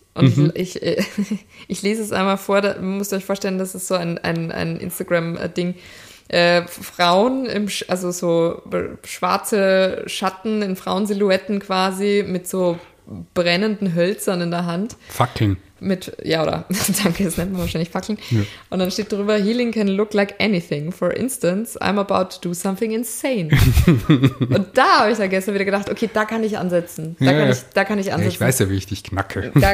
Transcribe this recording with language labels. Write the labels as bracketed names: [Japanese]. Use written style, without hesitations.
[German] Und ich lese es einmal vor, da müsst ihr euch vorstellen, das ist so ein Instagram-Ding. Frauen, also so schwarze Schatten in Frauensilhouetten quasi mit so brennenden Hölzern in der Hand. [English] Fucking. [German] Danke, das nennt man wahrscheinlich Fackeln. Ja. Und dann steht drüber, [English] Healing can look like anything. For instance, I'm about to do something insane. [German] Und da habe ich dann gestern wieder gedacht, okay, da kann ich ansetzen. Da kann ich ansetzen. Ja, ich weiß ja, wie ich dich knacke.